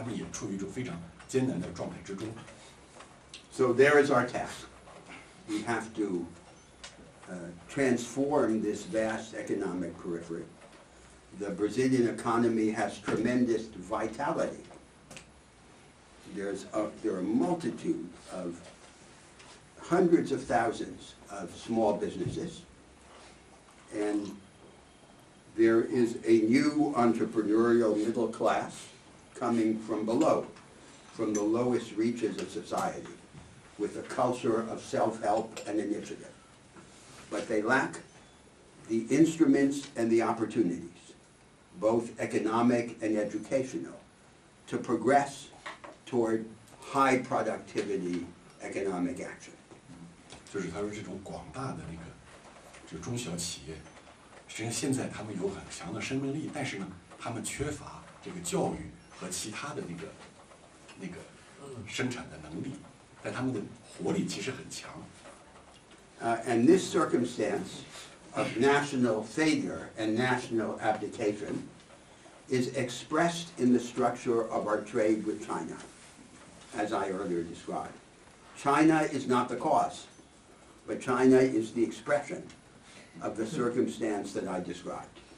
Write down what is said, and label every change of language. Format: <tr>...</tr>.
<zh>所以巴西目前的困境就是说，传统的福特主义大工业正在萎缩，并且大量的被外国人买走了。同时，在这个萎缩的传统福特主义大工业周围，有大量的那种传统的家庭中小企业，他们也处于一种非常艰难的状态之中。</zh> <en>So there is our task. We have to transform this vast economic periphery. The Brazilian economy has tremendous vitality. There are a multitude of hundreds of thousands of small businesses, and there is a new entrepreneurial middle class coming from below, from the lowest reaches of society. With a culture of self-help and initiative. But they lack the instruments and the opportunities, both economic and educational, to progress toward high productivity economic action.</en> <zh>就是他说这种广大的那个就中小企业，实际上现在他们有很强的生命力，但是呢，他们缺乏这个教育和其他的那个生产的能力，但他们的活力其实很强。</zh> <en>And this circumstance of national failure and national abdication is expressed in the structure of our trade with China, as I earlier described. China is not the cause, but China is the expression of the circumstance that I described.</en>